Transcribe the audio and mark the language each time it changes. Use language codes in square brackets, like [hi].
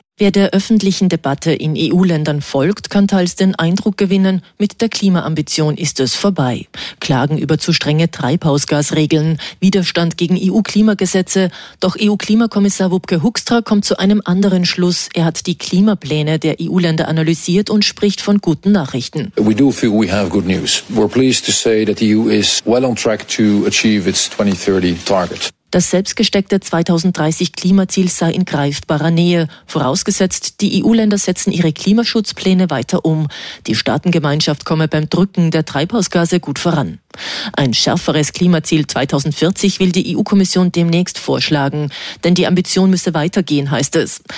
[de] Wer der öffentlichen Debatte in EU-Ländern folgt, kann teils den Eindruck gewinnen, mit der Klimaambition ist es vorbei. Klagen über zu strenge Treibhausgasregeln, Widerstand gegen EU-Klimagesetze. Doch EU-Klimakommissar Wupke Hoekstra kommt zu einem anderen Schluss. Er hat die Klimapläne der EU-Länder analysiert und spricht von guten Nachrichten. [en] We do feel we have good news. We're pleased to say that the EU is well on track to achieve its 2030 target. [de] Das selbstgesteckte 2030-Klimaziel sei in greifbarer Nähe, vorausgesetzt, die EU-Länder setzen ihre Klimaschutzpläne weiter um. Die Staatengemeinschaft komme beim Drücken der Treibhausgase gut voran. Ein schärferes Klimaziel 2040 will die EU-Kommission demnächst vorschlagen, denn die Ambition müsse weitergehen, heißt es.